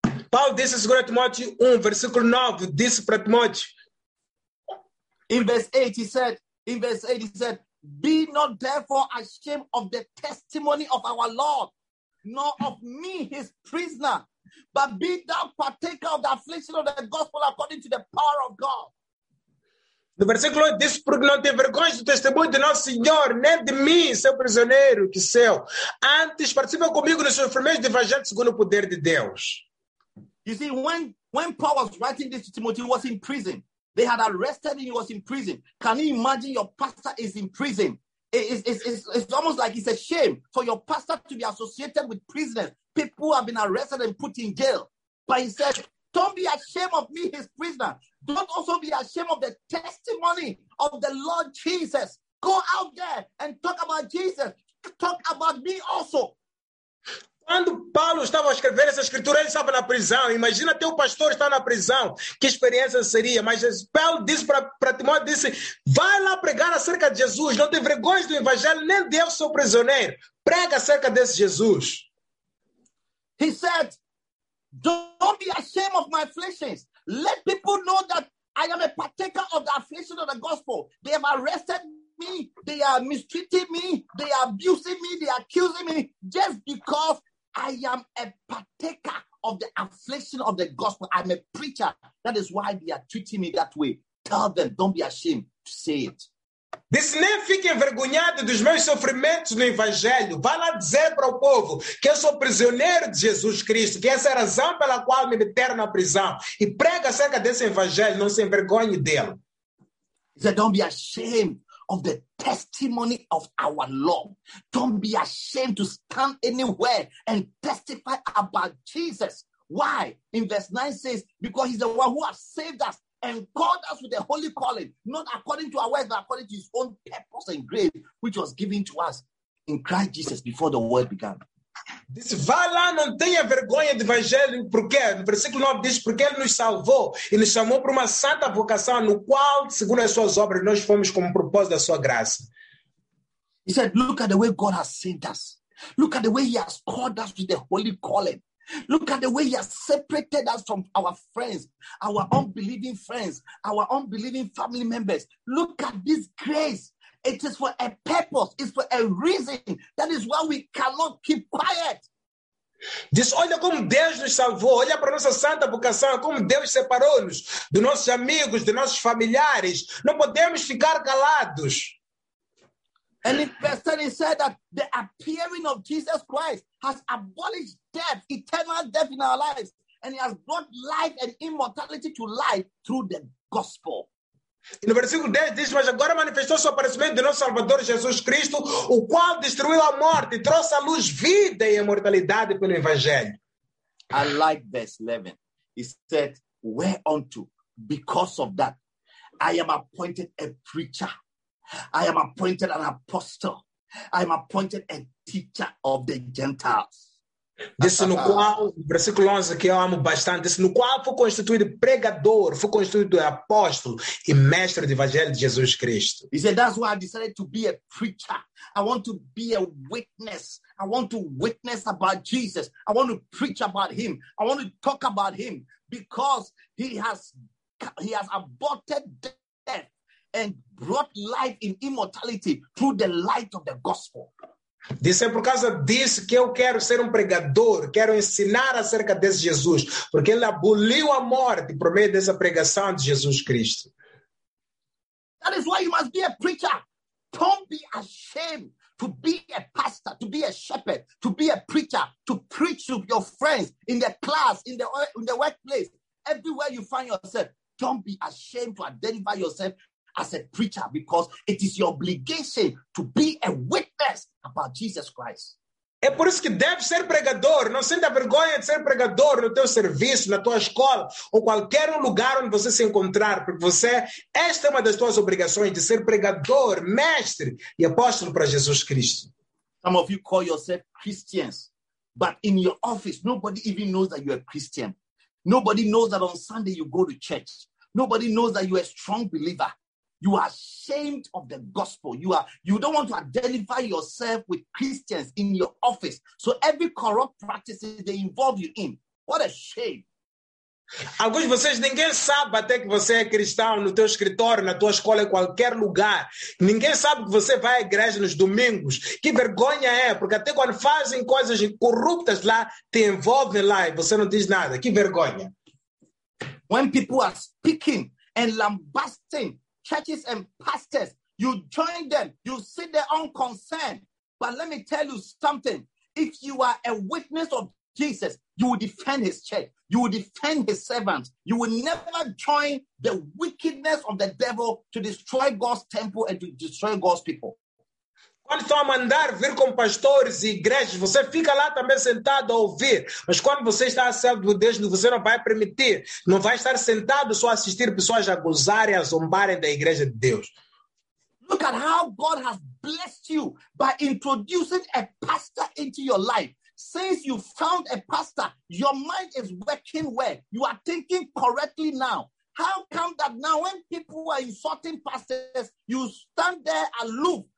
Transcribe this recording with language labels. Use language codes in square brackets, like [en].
[pt] Paulo disse em 2 Timóteo 1, versículo 9, disse para Timóteo. [en] In verse 8, he said, be not therefore ashamed of the testimony of our Lord, nor of me, his prisoner, but be thou partaker of the affliction of the gospel according to the power of God. [pt] No versículo 8, disse, porque não tem vergonha do testemunho do nosso Senhor, nem de mim, seu prisioneiro, que seu. Antes, participa comigo nos sofrimentos do evangelho segundo o poder de Deus. [en] You see, when Paul was writing this to Timothy, he was in prison. They had arrested him, he was in prison. Can you imagine your pastor is in prison? It's almost like it's a shame for your pastor to be associated with prisoners. People have been arrested and put in jail. But he said, don't be ashamed of me, his prisoner. Don't also be ashamed of the testimony of the Lord Jesus. Go out there and talk about Jesus. Talk about me also. [pt] Quando Paulo estava a escrever essa escritura, ele estava na prisão. Imagina teu pastor estar na prisão. Que experiência seria? Mas Paulo disse para Timóteo, disse, vai lá pregar acerca de Jesus. Não tem vergonha do evangelho, nem Deus seu prisioneiro. Prega acerca desse Jesus. [en] He said, don't be ashamed of my afflictions. Let people know that I am a partaker of the affliction of the gospel. They have arrested me, they are mistreating me, they are abusing me, they are accusing me just because I am a partaker of the affliction of the gospel. I'm a preacher. That is why they are treating me that way. Tell them, don't be ashamed to say it. [pt] Disse, nem fique envergonhado dos meus sofrimentos no Evangelho. Vá lá dizer para o povo que eu sou prisioneiro de Jesus Cristo, que essa é a razão pela qual me meteram na prisão. E prega acerca desse Evangelho, não se envergonhe dele. [en] He said, don't be ashamed of the testimony of our Lord. Don't be ashamed to stand anywhere and testify about Jesus. Why? In verse 9 says, because he's the one who has saved us and called us with a holy calling, not according to our works, but according to his own purpose and grace, which was given to us in Christ Jesus before the world began. [pt] Diz, vá lá, não tenha vergonha do evangelho, porque, no versículo 9 diz, porque ele nos salvou e nos chamou para uma santa vocação, no qual, segundo as suas obras, nós fomos como propósito da sua graça. [en] He said, look at the way God has sent us. Look at the way he has called us with the holy calling. Look at the way he has separated us from our friends, our unbelieving friends, our unbelieving family members. Look at this grace. It is for a purpose. It's for a reason. That is why we cannot keep quiet. [pt] Diz, olha como Deus nos salvou. Olha para a nossa santa vocação. Como Deus separou-nos dos nossos amigos, dos nossos familiares. Não podemos ficar calados. [en] And in verse 10, he said that the appearing of Jesus Christ has abolished death, eternal death in our lives. And he has brought life and immortality to life through the gospel. [pt] No versículo 10 diz, mas agora manifestou-se o aparecimento do nosso Salvador Jesus Cristo, o qual destruiu a morte e trouxe à luz vida e imortalidade pelo Evangelho. [en] I like verse 11. He said, whereunto, because of that, I am appointed a preacher. I am appointed an apostle. I am appointed a teacher of the Gentiles. [pt] Disse no qual, versículo 11, que eu amo bastante, disse no qual foi constituído pregador, foi constituído apóstolo e mestre do evangelho de Jesus Cristo. [en] He said, that's why I decided to be a preacher. I want to be a witness. I want to witness about Jesus. I want to preach about him. I want to talk about him because he has aborted death and brought life in immortality through the light of the gospel. [pt] Disse, é por causa disso que eu quero ser um pregador, quero ensinar acerca desse Jesus, porque ele aboliu a morte por meio dessa pregação de Jesus Cristo. [en] That is why you must be a preacher. Don't be ashamed to be a pastor, to be a shepherd, to be a preacher, to preach to your friends in the class, in the workplace, everywhere you find yourself. Don't be ashamed to identify yourself as a preacher, because it is your obligation to be a witness about Jesus Christ. [pt] É por isso que deve ser pregador. Não sinta vergonha de ser pregador no teu serviço, na tua escola, ou qualquer lugar onde você se encontrar, porque você, esta é uma das tuas obrigações de ser pregador, mestre e apóstolo para Jesus Cristo. [en] Some of you call yourself Christians, but in your office, nobody even knows that you are Christian. Nobody knows that on Sunday you go to church. Nobody knows that you are a strong believer. You are ashamed of the gospel. You don't want to identify yourself with Christians in your office. So every corrupt practice they involve you in, what a shame. [pt] Alguns de vocês, ninguém sabe até que você é cristão no teu escritório, na tua escola, em qualquer lugar. Ninguém sabe que você vai à igreja nos domingos. Que vergonha é, porque até quando fazem coisas corruptas lá, te envolvem lá e você não diz nada. Que vergonha. [en] When people are speaking and lambasting churches and pastors, you join them, you sit there unconcerned. But let me tell you something. If you are a witness of Jesus, you will defend his church. You will defend his servants. You will never join the wickedness of the devil to destroy God's temple and to destroy God's people. [pt] Quando estão a mandar vir com pastores e igrejas, você fica lá também sentado a ouvir. Mas quando você está a ser do Deus, você não vai permitir. Não vai estar sentado só a assistir pessoas a gozarem, a zombarem da igreja de Deus. [en] Look at how God has blessed you by introducing a pastor into your life. Since you found a pastor, your mind is working well. You are thinking correctly now. How come that now when people are insulting pastors, you stand there aloof?